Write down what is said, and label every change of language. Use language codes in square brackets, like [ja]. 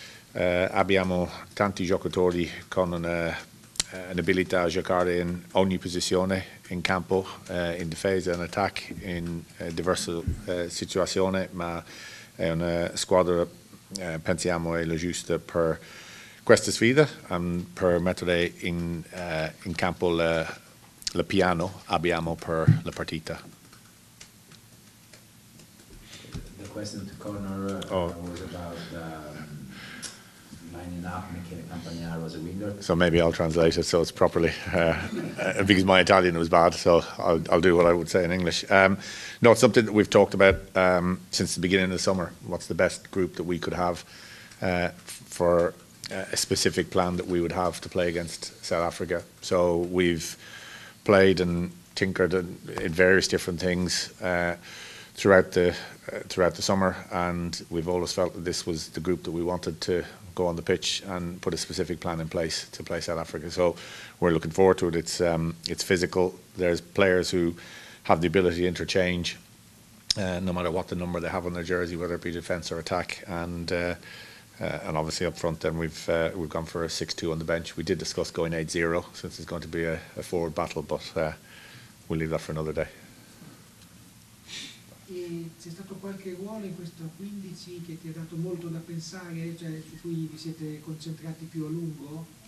[it] Abbiamo tanti giocatori con un'abilità a giocare in ogni posizione in campo, in difesa, in attacco, in diverse situazioni, ma è una squadra. Pensiamo è la giusta per questa sfida, per mettere in campo il piano abbiamo per la partita. [en] The question to corner was about lining up Michele Campagnaro as a winger. So maybe I'll translate it so it's properly, because my Italian was bad, so I'll do what I would say in English. No, it's something that we've talked about since the beginning of the summer. What's the best group that we could have for a specific plan that we would have to play against South Africa? So we've played and tinkered in various different things throughout the summer, and we've always felt that this was the group that we wanted to go on the pitch and put a specific plan in place to play South Africa. So we're looking forward to it. It's physical. There's players who have the ability to interchange no matter what the number they have on their jersey, whether it be defence or attack. And obviously up front then we've gone for a 6-2 on the bench. We did discuss going 8-0 since it's going to be a forward battle, but we'll leave that for another day. [it] E c'è stato qualche ruolo in questo 15 che ti ha dato molto da pensare, cioè su cui vi siete concentrati più a lungo?